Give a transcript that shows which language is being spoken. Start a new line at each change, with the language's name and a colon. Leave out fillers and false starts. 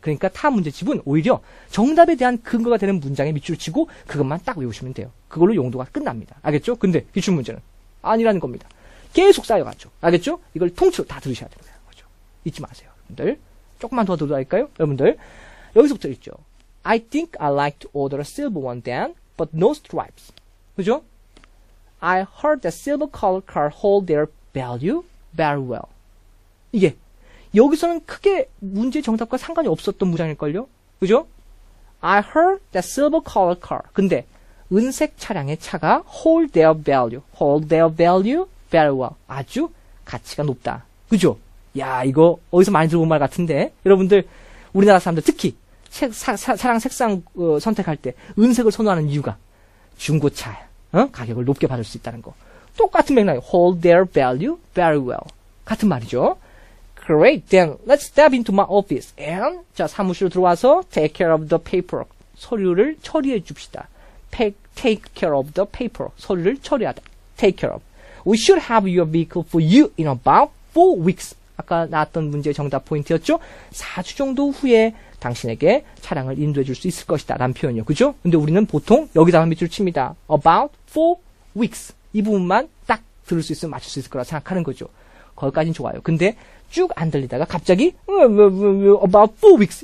Korean: 그러니까 타 문제집은 오히려 정답에 대한 근거가 되는 문장에 밑줄 치고 그것만 딱 외우시면 돼요. 그걸로 용도가 끝납니다. 알겠죠? 근데 기출문제는 아니라는 겁니다. 계속 쌓여가죠. 알겠죠? 이걸 통째로 다 들으셔야 되는 거죠. 잊지 마세요, 여러분들. 조금만 더 들어도 할까요? 여러분들, 여기서부터 읽죠.
English: I think I like to order a silver one then, but no stripes.
Korean: 그죠?
English: I heard that silver color car hold their value very well.
Korean: 이게, 여기서는 크게 문제 정답과 상관이 없었던 문장일걸요? 그죠?
English: I heard that silver color car.
Korean: 근데, 은색 차량의 차가
English: hold their value very well.
Korean: 아주 가치가 높다. 그죠? 야, 이거 어디서 많이 들어본 말 같은데. 여러분들, 우리나라 사람들 특히 차량 색상 선택할 때 은색을 선호하는 이유가 중고차야. 어? 가격을 높게 받을 수 있다는 거. 똑같은 맥락이에요.
English: Hold their value very well.
Korean: 같은 말이죠.
English: Great, then let's step into my office. And
Korean: 자, 사무실로 들어와서
English: take care of the paperwork.
Korean: 서류를 처리해 줍시다.
English: Take care of the paper.
Korean: 서류를 처리하다. Take care of.
English: We should have your vehicle for you in about 4 weeks.
Korean: 아까 나왔던 문제의 정답 포인트였죠? 4주 정도 후에 당신에게 차량을 인도해 줄 수 있을 것이다. 라는 표현이요. 그죠? 근데 우리는 보통 여기다 한 밑줄 칩니다.
English: About 4 weeks.
Korean: 이 부분만 딱 들을 수 있으면 맞출 수 있을 거라 생각하는 거죠. 거기까지는 좋아요. 근데 쭉 안 들리다가 갑자기
English: About 4 weeks.